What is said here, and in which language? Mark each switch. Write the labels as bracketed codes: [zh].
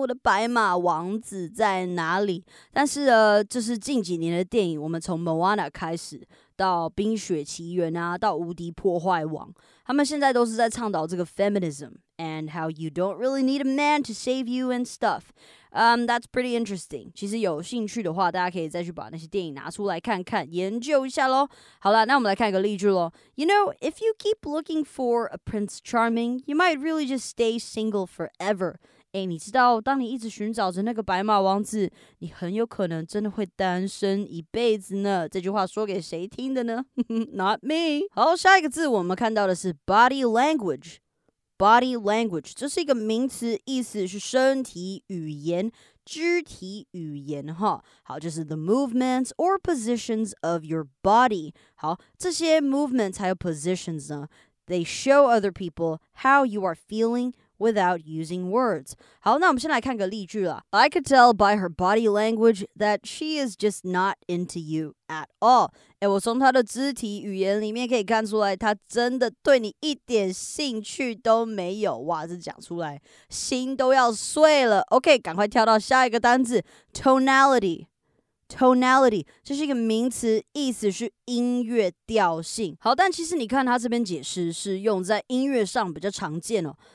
[zh] 我的白马王子在哪里？但是就是近几年的电影，我们从 Moana 开始，到《冰雪奇缘》啊，到《无敌破坏王》，他们现在都是在倡导这个 [en] feminism and how you don't really need a man to save you and stuff。 That's pretty interesting. [zh] 其实有兴趣的话，大家可以再去把那些电影拿出来看看，研究一下咯。好啦，那我们来看一个例句咯。 [en] You know, if you keep looking for a Prince Charming, you might really just stay single forever. [zh] 你知道，当你一直寻找着那个白马王子，你很有可能真的会单身一辈子呢。这句话说给谁听的呢？ [en] Not me. [zh] 好，下一个字我们看到的是 body language。 Body language 这是一个名词，意思是身体语言、肢体语言哈。好，就是 [en] the movements or positions of your body。 [zh] 好，这些 [en] movements 还有 positions 呢 ，they show other people how you are feeling without using words。 [zh] 好，那我们先来看个例句啦。 [en] I could tell by her body language that she is just not into you at all。 [zh] 我从她的肢体语言里面可以看出来，她真的对你一点兴趣都没有。哇，这讲出来心都要碎了。 OK， 赶快跳到下一个单字 ，tonality。 Tonality 这是一个名词，意思是音乐调性。好，但其实你看它这边解释是用在音乐上比较常见哦。